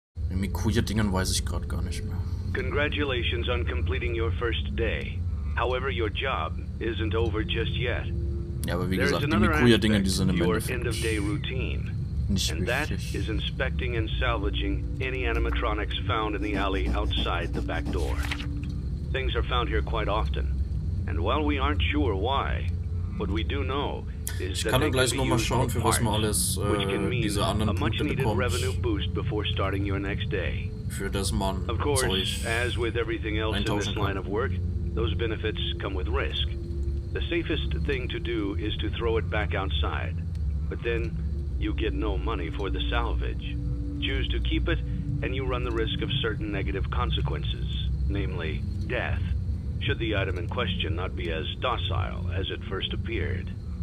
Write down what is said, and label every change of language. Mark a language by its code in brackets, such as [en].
[de] Mikuya-Dingern weiß ich gerade gar nicht mehr. [en] Congratulations on completing your first day. However, your job isn't over just yet. [de] Ja, aber wie gesagt, die Mikuya-Dinger, die sind im Endeffekt nicht [en] and that is inspecting and salvaging any animatronics found in the alley outside the back door. Things are found here quite often. And while we aren't sure why, what we do know is [de] ich kann gleich nochmal schauen, für was man alles diese anderen Punkte bekommt. [en] Revenue boost before starting your next day. [de] Für das man [en] of course, as with everything else in this line of work, those benefits come with risk. The safest thing to do is to throw it back outside. But then you get no money for the salvage. Choose to keep it, and you run the risk of certain negative consequences, namely death, should the item in question not be as docile as it first appeared.